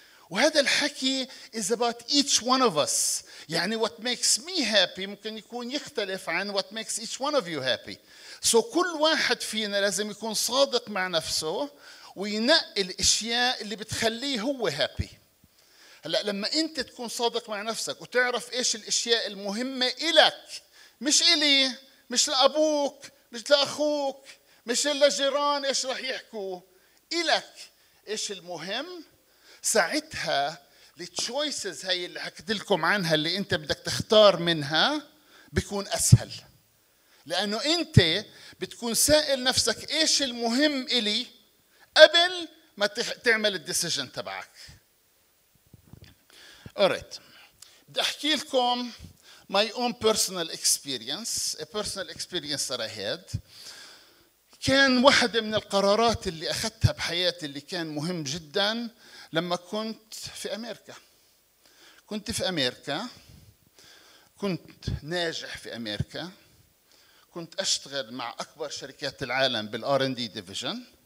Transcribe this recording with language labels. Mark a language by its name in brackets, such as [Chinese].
[Arabic] وهذا الحكي [English] is about each one of us. [Arabic] يعني [English] what makes me happy [Arabic] ممكن يكون يختلف عن [English] what makes each one of you happy. [Arabic] So كل واحد فينا لازم يكون صادق مع نفسه وينقي الأشياء اللي بتخليه هو happy. هلأ لما أنت تكون صادق مع نفسك وتعرف إيش الأشياء المهمة إلك، مش إلي، مش لأبوك، مش لأخوك، مش لجيران إيش رح يحكوا، إلك إيش المهم، ساعتها التشويسز هاي اللي حكيت لكم عنها اللي أنت بدك تختار منها بيكون أسهل، لأنه أنت بتكون سائل نفسك إيش المهم إلي قبل ما تعمل الديسيجن تبعك. [English] Alright. [Arabic] بدي أحكي لكم [English] my own personal experience. A personal experience that I had. [Arabic] كان واحدة من القرارات اللي أخذتها بحياتي اللي كان مهم جداً لما كنت في أمريكا. كنت في أمريكا. كنت ناجح في أمريكا. كنت أشتغل مع أكبر شركات العالم بالـ R&D division.